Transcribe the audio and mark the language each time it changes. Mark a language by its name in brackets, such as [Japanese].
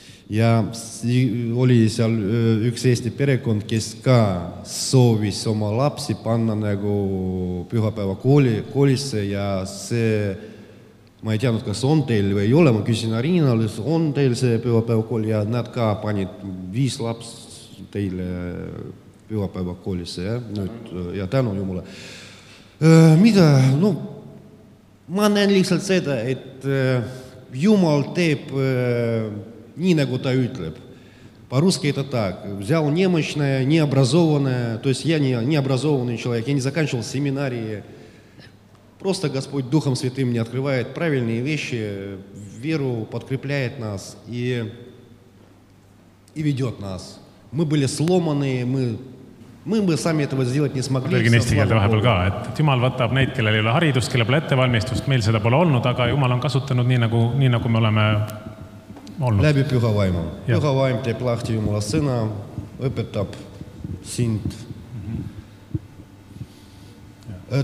[Estonian] Ja oli seal üks Eesti perekond, kes ka soovis oma lapsi panna nagu pühapäeva koolisse ja see, ma ei teanud, kas on teil või ei ole, ma küsin Arinal, on teil see pühapäeva kooli ja nad ka panid 5 laps teile pühapäeva koolisse. Ja, nüüd, ja tänu jumule. Mida? No, ma näen lihtsalt seda, et Jumal teeb... Nii nagu ta ütleb. [Russian] По-русски это так. Взял немощное, необразованное. То есть я необразованный человек. Я не заканчивал семинарии. Просто Господь Духом Святым мне открывает правильные вещи. Веру подкрепляет нас и ведет нас. Мы были сломанные, мы бы сами этого сделать не смогли. [Estonian] Ma tõlgin eesti keelde vahepeal ka, et Jumal võtab neid, kellel ei ole haridus, kellel pole ettevalmistust. Meil seda pole olnud, aga Jumal on kasutanud nii nagu me oleme... Olnud. Läbi püha vaimu. Ja. Püha vaim teeb lahti Jumala sõna, õpetab sind. Mm-hmm.